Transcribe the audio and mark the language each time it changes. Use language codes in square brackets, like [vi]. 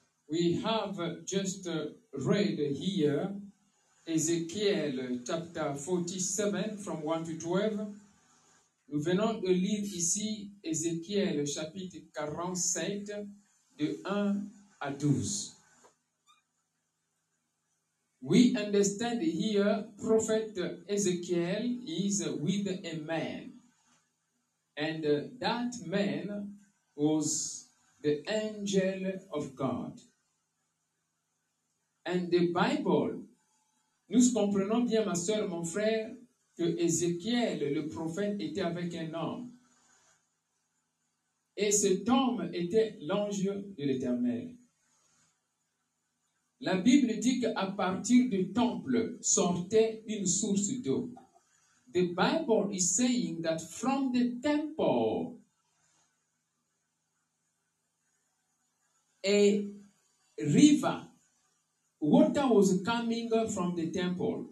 [en] We have just read here Ezekiel chapter 47 from 1 to 12. [fr] Nous venons de lire ici Ézéchiel chapitre 47 de 1 à 12. [en] We understand here prophet Ezekiel is with a man. And that man was the angel of God. And the Bible, [fr] nous comprenons bien, ma soeur, mon frère, que Ézéchiel, le prophète, était avec un homme. Et cet homme était l'ange de l'Éternel. La Bible dit qu'à partir du temple sortait une source d'eau. [en] The Bible is saying that from the temple a river, water was coming from the temple.